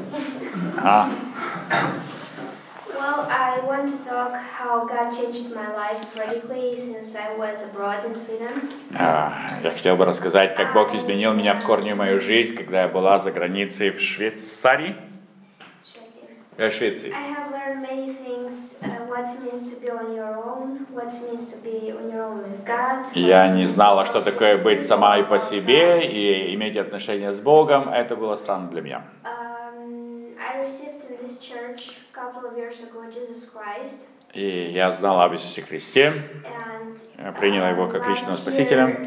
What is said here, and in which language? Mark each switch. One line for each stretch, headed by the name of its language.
English: Well, I want to talk how God changed my life radically since I was abroad in Sweden.
Russian: Я хотел бы рассказать, как Бог изменил меня в корне мою жизнь, когда я была за границей в Швейцарии. Швеции.
English: I have learned many things, what it means to be on your own, what it means to be on your own with God.
Russian: Я не знала, что такое быть сама и по себе и иметь отношения с Богом. Это было странно для меня.
English: I received in this church a couple of years ago Jesus Christ.
Russian: И я знала об Иисусе Христе. Я приняла его как личного спасителя.